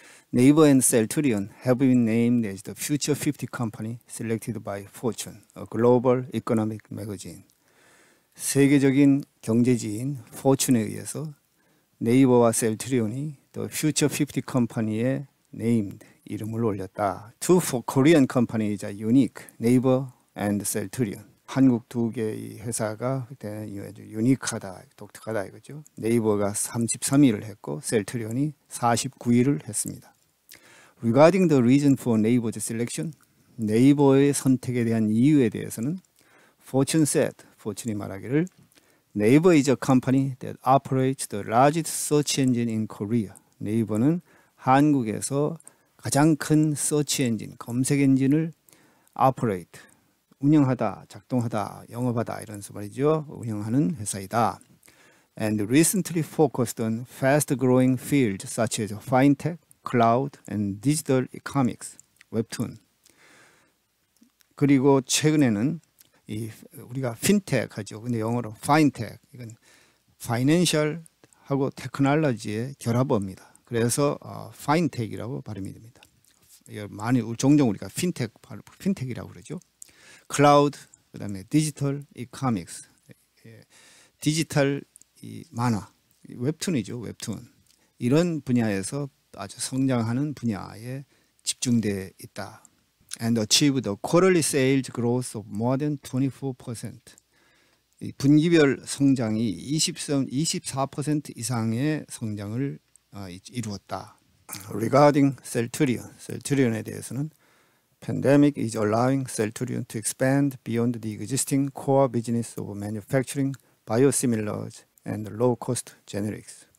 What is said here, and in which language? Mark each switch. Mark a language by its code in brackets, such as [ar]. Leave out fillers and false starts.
[en] 네이버 and 셀트리온 have been named as the Future 50 Company selected by Fortune, a global economic magazine. [ko] 세계적인 경제지인 Fortune에 의해서 네이버와 셀트리온이 The Future 50 Company에 named, 이름을 올렸다. [en] Two for Korean companies are unique, Naver and Celtrion. [ko] 한국 두 개의 회사가 그때는 아주 유니크하다, 독특하다 이거죠. 네이버가 33위를 했고, 셀트리온이 49위를 했습니다. [en] Regarding the reason for Naver's selection, [ko] 네이버의 선택에 대한 이유에 대해서는 [en] Fortune said, [ko] Fortune이 말하기를, [en] Naver is a company that operates the largest search engine in Korea. [ko] 네이버는 한국에서 가장 큰 서치 엔진, 검색 엔진을 operate, 운영하다, 작동하다, 영업하다 이런 말이죠. 운영하는 회사이다. [en] And recently focused on fast growing fields such as fintech, cloud and digital economics, webtoon. [ko] 그리고 최근에는 우리가 fintech 하죠. 근데 영어로 fintech, 이건 financial하고 technology의 결합어입니다. 그래서 파인텍이라고 발음이 됩니다. 많이 종종 우리가 핀텍이라고 그러죠. 클라우드, 그다음에 디지털 이커믹스, 디지털 이 만화, 웹툰이죠. 웹툰 이런 분야에서 아주 성장하는 분야에 집중돼 있다. [en] And achieved a quarterly sales growth of more than 24%. [ko] 이 분기별 성장이 24% 이상의 성장을 이루었다. [en] Regarding Celtrion에 대해서는 Pandemic is allowing Celtrion to expand beyond the existing core business of manufacturing biosimilars and low cost generics.